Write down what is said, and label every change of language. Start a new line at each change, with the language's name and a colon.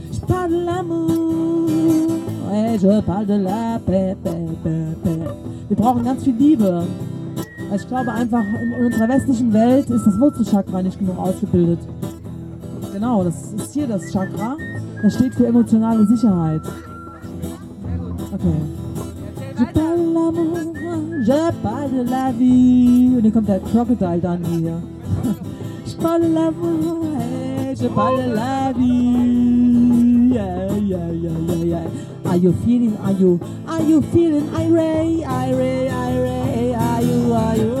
French: Je parle de l'amour, et je parle de la paix, paix, paix, paix.
German: Wir brauchen ganz viel Liebe. Ich glaube einfach, in unserer westlichen Welt ist das Wurzelchakra nicht genug ausgebildet. Genau, das ist hier das Chakra. Das steht für emotionale Sicherheit.
French: Okay. Je parle de l'amour, je parle de la vie.
German: Und hier kommt der Crocodile dann hier.
French: Je parle de l'amour, hey, je parle de la vie. Yeah, yeah, yeah, yeah, yeah.
English: Are you feeling, are you feeling irate, irate, irate?